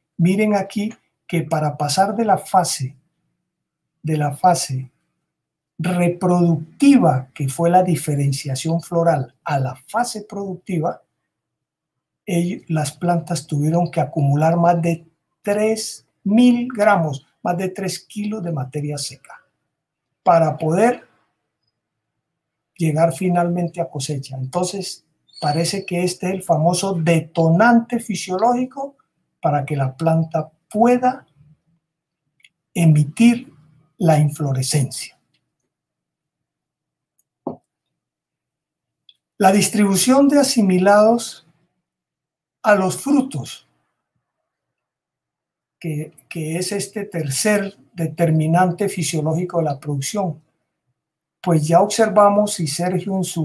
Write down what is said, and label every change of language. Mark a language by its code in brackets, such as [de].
[es] Miren aquí que para pasar de la fase reproductiva, que fue la diferenciación floral, a la fase productiva, las plantas tuvieron que acumular más de 3.000 gramos, más de 3 kilos de materia seca para poder llegar finalmente a cosecha. Entonces, [pt] parece que este é o famoso detonante fisiológico para que a planta pueda emitir a inflorescência. A distribuição de assimilados [es] a los frutos, que es este tercer determinante fisiológico de la producción, pues ya observamos, y Sergio